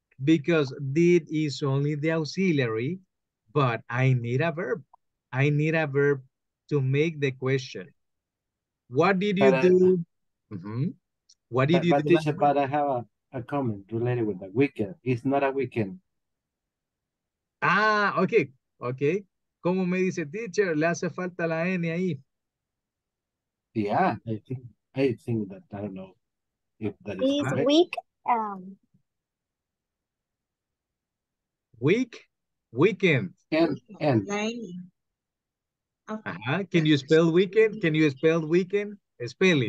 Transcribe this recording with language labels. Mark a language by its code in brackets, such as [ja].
[en] Because did is only the auxiliary, but I need a verb. I need a verb to make the question. What did you do? What did you do? But I have a comment related with the weekend. It's not a weekend. Ah, okay. Okay. [es] Como me dice teacher, le hace falta la N ahí. [en] Yeah, I think that, I don't know if that is it's week. Week? Weekend. And. Uh-huh. Can you spell weekend? Can you spell weekend? Spell it.